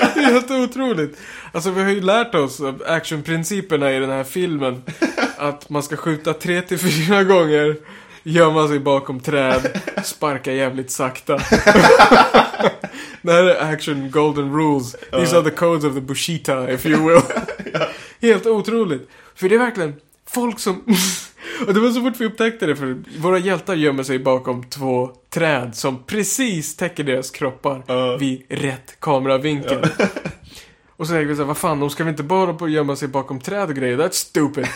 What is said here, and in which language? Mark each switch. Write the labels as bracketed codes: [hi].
[sv] Det är helt otroligt. Alltså, vi har ju lärt oss actionprinciperna i den här filmen. Att man ska skjuta 3-4 gånger, gömma sig bakom träd, sparka jävligt sakta. Det här är action golden rules. [en] These are the codes of the Bushita, if you will. [sv] Helt otroligt. För det är verkligen folk som... Och det var så fort vi upptäckte det, för våra hjältar gömmer sig bakom 2 träd som precis täcker deras kroppar vid rätt kameravinkel. Och så tänker vi så här, vad fan, de ska väl inte bara på gömma sig bakom träd och grejer, [en] that's stupid.